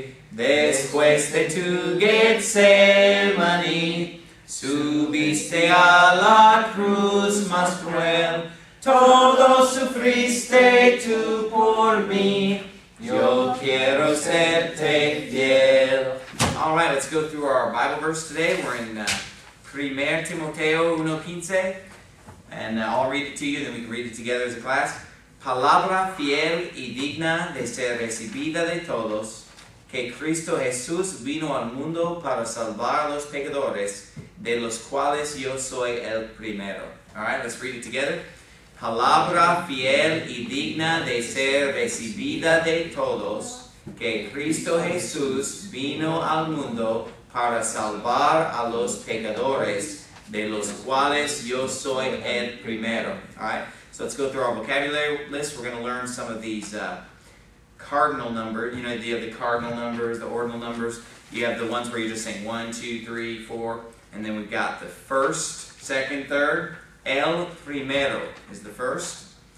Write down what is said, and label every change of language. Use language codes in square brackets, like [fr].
[es] Después de tu Getsemaní, subiste a la cruz más cruel. Todo sufriste tú por mí, yo quiero serte fiel. [en] All right, let's go through our Bible verse today. We're in 1 Timoteo 1:15. And I'll read it to you, then we can read it together as a class. [es] Palabra fiel y digna de ser recibida de todos, que Cristo Jesús vino al mundo para salvar a los pecadores, de los cuales yo soy el primero. [en] All right, let's read it together. [es] Palabra fiel y digna de ser recibida de todos, que Cristo Jesús vino al mundo para salvar a los pecadores, de los cuales yo soy el primero. [en] All right, so let's go through our vocabulary list. We're going to learn some of these cardinal numbers. You know, you have the cardinal numbers, the ordinal numbers. You have the ones where you're just saying 1, 2, 3, 4. And then we've got the first, second, third. [es] El primero [en] is the first.